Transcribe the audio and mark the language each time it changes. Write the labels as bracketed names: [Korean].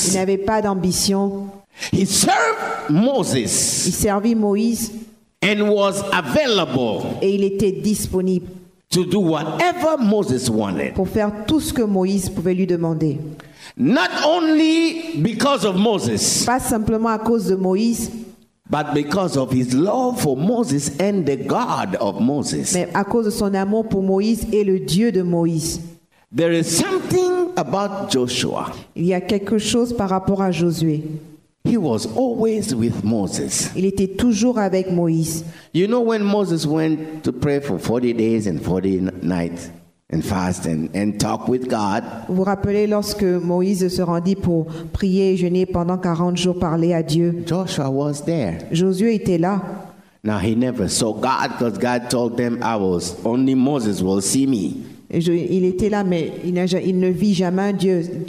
[French] Il n'avait pas d'ambition. [English] He served Moses. [French] Il servit Moïse. [English] And was available. [French] Et il était disponible. [English] To do whatever Moses wanted. [French] Pour faire tout ce que Moïse pouvait lui demander. [English] Not only because of Moses. [French] Pas simplement à cause de Moïse. [English] But because of his love for Moses and the God of Moses. [French] Mais à cause de son amour pour Moïse et le Dieu de Moïse. [English] There is something about Joshua. [French] Il y a quelque chose par rapport à Josué. [English] He was always with Moses. [French] Il était toujours avec Moïse. [English] You know when Moses went to pray for 40 days and 40 nights and fast and talk with God. [French] Vous vous rappelez lorsque Moïse se rendit pour prier et jeûner pendant 40 jours, parler à Dieu? [English] Joshua was there. [French] Josué était là. [English] Now he never saw God because God told them I was only Moses will see me. [French] Il était là, mais il ne vit jamais Dieu.